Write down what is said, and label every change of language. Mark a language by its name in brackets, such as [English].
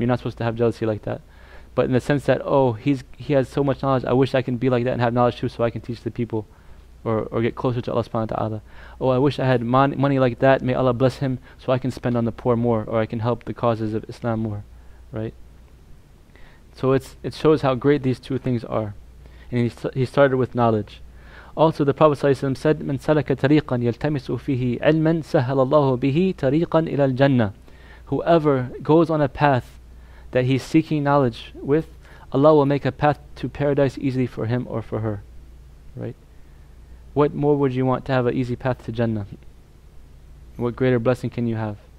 [English] You're not supposed to have jealousy like that. But in the sense that, oh, he has so much knowledge, I wish I can be like that and have knowledge too, so I can teach the people or get closer to Allah subhanahu wa ta'ala. Oh, I wish I had money like that, may Allah bless him, so I can spend on the poor more, or I can help the causes of Islam more. Right? So it shows how great these two things are. And he started with knowledge. Also, the Prophet ﷺ said, [Arabic] مَنْ سَلَكَ تَرِيقًا يَلْتَمِسُ فِيهِ عِلْمًا سَهَلَ اللَّهُ بِهِ تَرِيقًا إِلَى الْجَنَّةِ. [English] Whoever goes on a path that he's seeking knowledge with, Allah will make a path to paradise easily for him or for her. Right? What more would you want to have an easy path to Jannah? What greater blessing can you have?